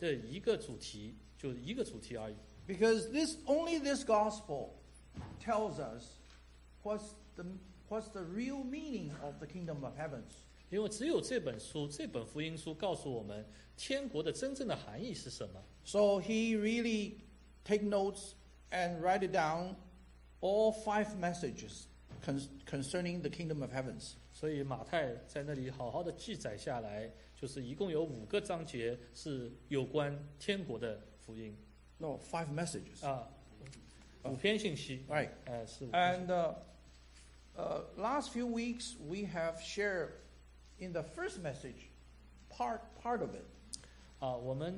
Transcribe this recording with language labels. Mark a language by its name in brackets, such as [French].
[Chinese] 马太福音是这本书是只是专门注重在这一个主题，就一个主题而已。 [English] Because this only this gospel tells us what's the real meaning of the kingdom of heavens. [Chinese] 因为只有这本书，这本福音书告诉我们天国的真正的含义是什么。 [English] So he really take notes and write it down, all five messages concerning the kingdom of heavens. [Chinese] 所以马太在那里好好的记载下来，就是一共有五个章节是有关天国的福音。 [English] No, five messages. [Chinese] 五篇信息。 [English] Right. [Chinese] 是五篇。 [English] And last few weeks, we have shared in the first message part of it.